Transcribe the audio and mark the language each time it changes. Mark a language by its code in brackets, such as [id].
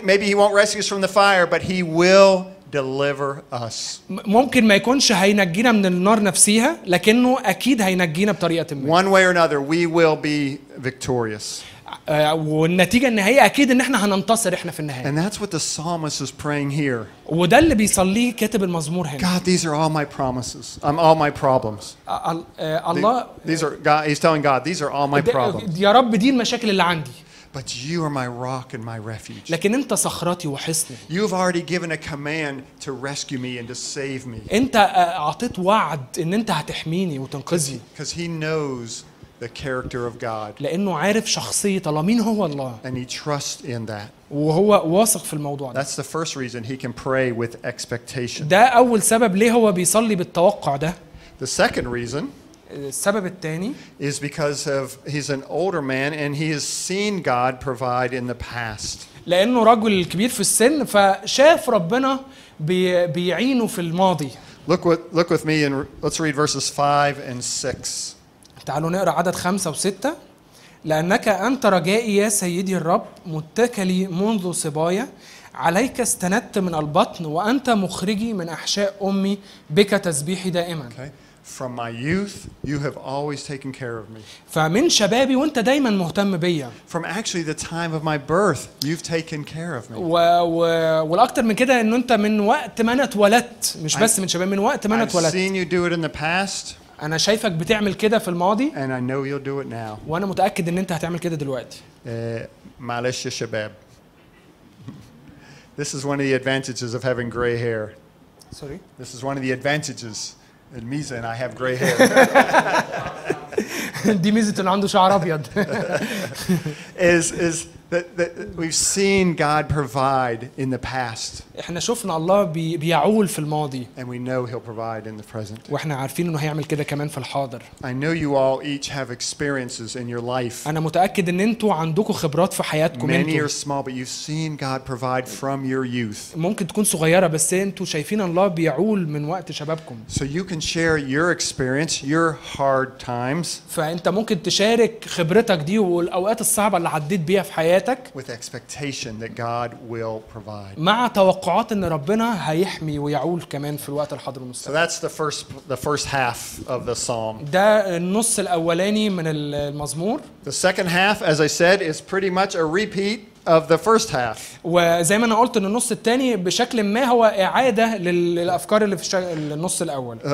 [en] Maybe he won't rescue us from the fire, but he will deliver us. [ar] ممكن ما يكونش هينجينا من النار نفسها، لكنه أكيد هينجينا بطريقة ما. [en] One way or another, we will be victorious. [ar] والنتيجة النهائية أكيد إن إحنا هننتصر إحنا في النهاية. [en] And that's what the psalmist is praying here. [ar] وده اللي بيصليه كاتب المزمور هنا. [en] God, these are all my promises. All my problems. [ar] الله. [en] These are God. He's telling God, these are all my problems. [ar] يا رب دي المشاكل اللي عندي. [en] But you are my rock and my refuge. [ar] لكن أنت صخرتي وحصني. [en] You've already given a command to rescue me and to save me. [ar] أنت أعطيت وعد إن أنت هتحميني وتنقذني. [en] Because He knows. The character of God. [ar] لأنه عارف شخصية الله مين هو الله. [en] And he trusts in that. [ar] وهو واثق في الموضوع ده. [en] That's the first reason he can pray with expectation. [ar] ده أول سبب ليه هو بيصلي بالتوقع ده. [en] The second reason. [ar] السبب الثاني. [en] Is because of he's an older man and he has seen God provide in the past. [ar] لأنه رجل كبير في السن فشاف ربنا بيعينه في الماضي. [en] Look with me and let's read verses 5 and 6. [ar] تعالوا نقرأ عدد 5 و6. لأنك أنت رجائي يا سيدي الرب متكلي منذ صبايا، عليك استندت من البطن وأنت مخرجي من أحشاء أمي، بك تسبيحي دائما. [en] Okay. From my youth, you have always taken care of me. [ar] فمن شبابي وأنت دايما مهتم بيا. [en] From actually the time of my birth, you've taken care of me. [ar] والأكثر من كده إن أنت من وقت ما أنا اتولدت، مش بس من شبابي، من وقت ما أنا اتولدت. [en] I've seen you do it in the past. [ar] أنا شايفك بتعمل كده في الماضي. [en] And I know you'll do it now. [ar] وأنا متأكد إن أنت هتعمل كده دلوقتي. معلش يا شباب. [en] This is one of the advantages of having gray hair. Sorry. This is one of the advantages. [ar] الميزة إن [en] I have gray hair. [ar] دي ميزة إن عنده شعر أبيض. [en] is that we've seen God provide in the past. [ar] إحنا شفنا الله بيعول في الماضي. [en] And we know He'll provide in the present. [ar] وإحنا عارفين إنه هيعمل كده كمان في الحاضر. [en] I know you all each have experiences in your life. [ar] أنا متأكد إن أنتوا عندكوا خبرات في حياتكم. [en] Many are small, but you've seen God provide from your youth. [ar] ممكن تكون صغيرة بس أنتوا شايفين الله بيعول من وقت شبابكم. [en] So you can share your experience, your hard times. [ar] فأنت ممكن تشارك خبرتك دي والأوقات الصعبة اللي عديت بيها في حياتك. [en] With expectation that God will provide. [ar] مع توقعات إن ربنا هيحمي ويعول كمان في الوقت الحاضر والمستقبل. [en] So that's the first half of the psalm. [ar] ده النص الأولاني من المزمور. [en] The second half, as I said, is pretty much a repeat of the first half. [ar] وزي ما أنا قلت إن النص الثاني بشكل ما هو إعادة للأفكار اللي في النص الأول.